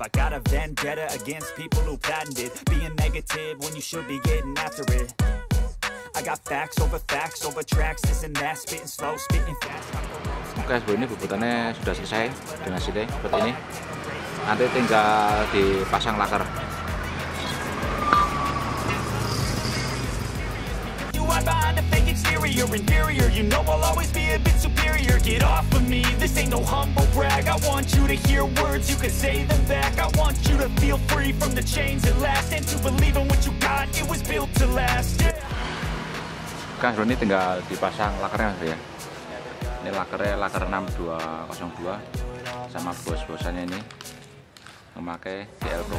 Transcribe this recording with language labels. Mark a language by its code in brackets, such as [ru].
[en] I got a vendetta against people who patented being negative when you should be getting after it. I got facts over tracks. This and that, spitting slow, spitting fast. [id] Oke, Bro, ini bubutannya sudah selesai dengan sini seperti ini. Nanti tinggal dipasang laker. [en] You are behind a fake exterior, interior. You know I'll always be a bit superior. here, get off of me. This ain't no humble brag. I want you to hear words, you can say them back. I want you to feel free from the chains at last, and to believe in what you got, it was built to last, yeah. [id] Kan sebenarnya tinggal dipasang lakernya sih ya. Ini lakernya laker 6202 sama bos-bosannya ini memakai DL Pro.